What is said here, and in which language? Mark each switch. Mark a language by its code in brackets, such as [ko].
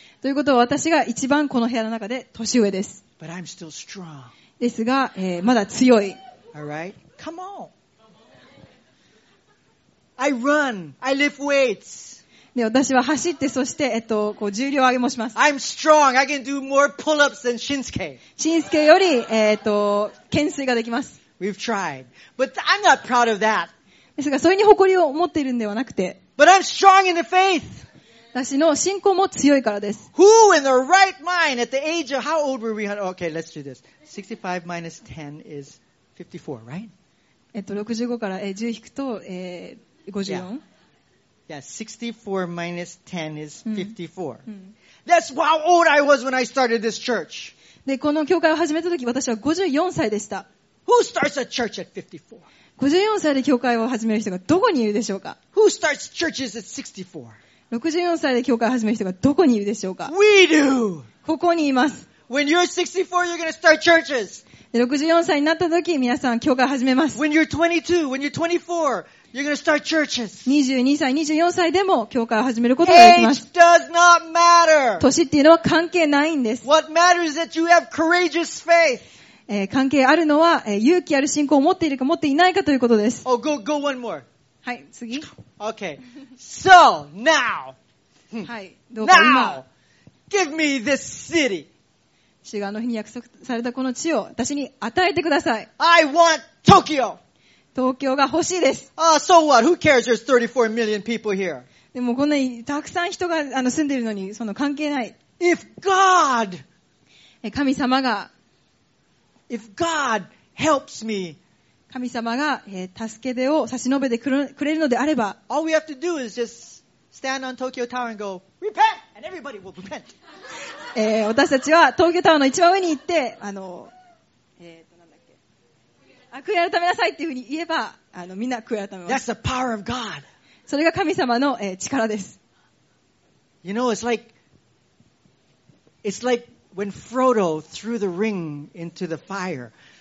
[ja] ということは私が一番この部屋の中で年上です。 [en] But I'm still strong. [ja] ですが、まだ強い。 [en] Alright. Come on. I run. I lift weights. [ja] で、私は走って、そして、こう重量上げもします。 [en] I'm strong. I can do more pull-ups than Shinsuke. [ja] Shinsuke より、懸垂ができます。 [en] We've tried. But I'm not proud of that. [ja] ですが、それに誇りを持っているんではなくて、 [en] But I'm strong in the faith. [ja] 私の信仰も強いからです。 [en] Who in the right mind at the age of how old were we? Okay, let's do this. 65 minus 10 is 54, right? [ja] 65から10引くと、54? [en] Yeah. Yeah, 64 minus 10 is 54. Mm-hmm. That's how old I was when I started this church. [ja] で、この教会を始めた時、私は54歳でした。 [en] Who starts a church at 54? [ja] 54歳で教会を始める人がどこにいるでしょうか？ [en] Who starts churches at 64? [ja] 64歳で教会を始める人がどこにいるでしょうか？ [en] We do! [ja] ここにいます。 [en] When you're 64, you're gonna start churches. [ja] 64歳になった時、皆さん教会を始めます。 [en] When you're 22, when you're 24, you're gonna start churches. [ja] 22歳、24歳でも教会を始めることができます。 [en] Age does not matter! [ja] 年っていうのは関係ないんです。 [en] What matters is that you have courageous faith. [ja] 関係あるのは、勇気ある信仰を持っているか持っていないかということです。 [en] Oh, go one more. [ja] はい、次。 [en] Okay. So, now. [ja] はい、どうか今。 [en] Now! Give me this city. [ja] 主があの日に約束されたこの地を私に与えてください。 [en] I want Tokyo! [ja] 東京が欲しいです。 [en] So what? Who cares? There's 34 million people here. [ja] でもこんなにたくさん人が住んでいるのに、その関係ない。 [en] If God! [ja] 神様が [en] If God helps me, [ja] 神様が、助け手を差し伸べてくれるのであれば、 [en] All we have to do is just stand on Tokyo Tower and go, repent! And everybody will repent. [ja] 私たちは東京タワーの一番上に行って、なんだっけ。悔い改めなさいっていうふうに言えば、みんな悔い改めます。 [en] That's the power of God. [ja] それが神様の、力です。 [en] You know, it's like,When Frodo threw the ring into the fire.